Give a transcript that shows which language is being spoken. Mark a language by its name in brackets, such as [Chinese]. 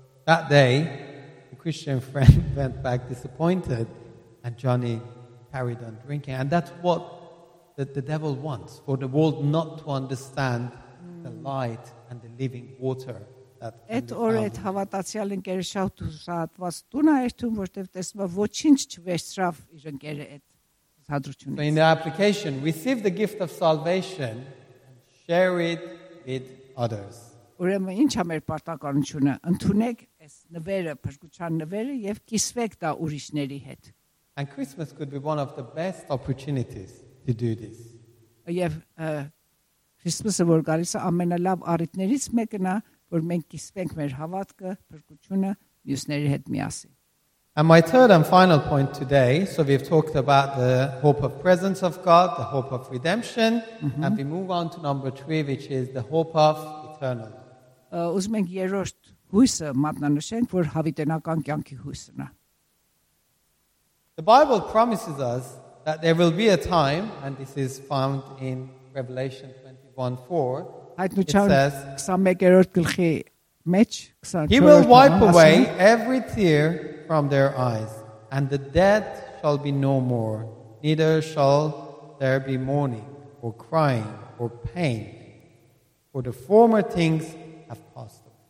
[English] that day, the Christian friend went back disappointed and Johnny carried on drinking. And that's what the devil wants, for the world not to understand the light and the living water that can be found. [Armenian] Այդ օրը հավատացյալ ընկերը շատ ուրախացած տուն էր դուն, որտեվ տեսնում էր ոչինչ չվերծրավ իր ընկերը այդ հադրությունից. [English] So in the application, receive the gift of salvation and share it with others. [Armenian] Ուրեմն ի՞նչ է մեր պարտականությունը. Ընդունեք այս նվերը, փրկության նվերը եւ կիսվեք դա ուրիշների հետ. [English] And Christmas could be one of the best opportunities to do this. [Armenian] Եվ Քրիսմասը որ գալիս է ամենալավ առիթներից մեկն է, որ մենք կիսվենք մեր հավատքը, փրկությունը մյուսների հետ միասին. [English] And my third and final point today, so we've talked about the hope of presence of God, the hope of redemption, and we move on to number 3, which is the hope of eternal. [Armenian] Ուզում ենք երրորդ հույսը մատնանշենք, որ հավիտենական կյանքի հույսն է. [English] The Bible promises us that there will be a time, and this is found in Revelation 21:4. It says, He will wipe away every tear from their eyes, and the dead shall be no more, neither shall there be mourning, or crying, or pain, for the former things have passed